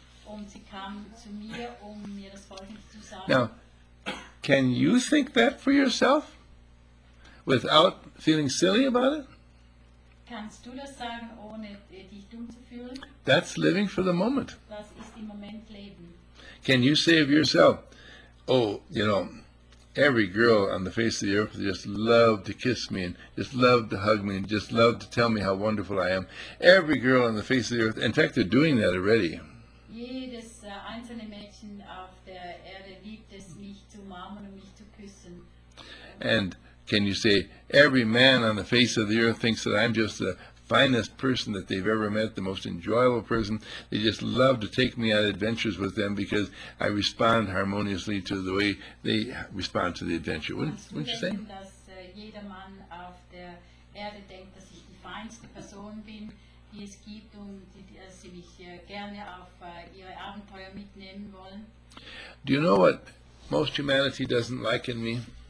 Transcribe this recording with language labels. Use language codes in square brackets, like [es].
[de] Und sie kam zu mir, um mir das Folgende zu sagen. [en] Now, can you think that for yourself without feeling silly about it? [de] Kannst du das sagen, ohne dich dumm zu fühlen? [en] That's living for the moment. [de] Das ist im Moment leben. [en] Can you say of yourself, oh, you know, every girl on the face of the earth just loved to kiss me and just loved to hug me and just loved to tell me how wonderful I am. Every girl on the face of the earth, in fact, they're doing that already. [de] Jedes einzelne Mädchen auf der Erde liebt es, mich zu umarmen und mich zu küssen. [en] And can you say, every man on the face of the earth thinks that I'm just the finest person that they've ever met, the most enjoyable person. They just love to take me on adventures with them because I respond harmoniously to the way they respond to the adventure. Wouldn't you say? [de] Dass jeder Mann auf der Erde denkt, dass ich die feinste Person bin, die es gibt und dass sie mich gerne auf ihre Abenteuer mitnehmen wollen. [en] Do you know what most humanity doesn't like in me?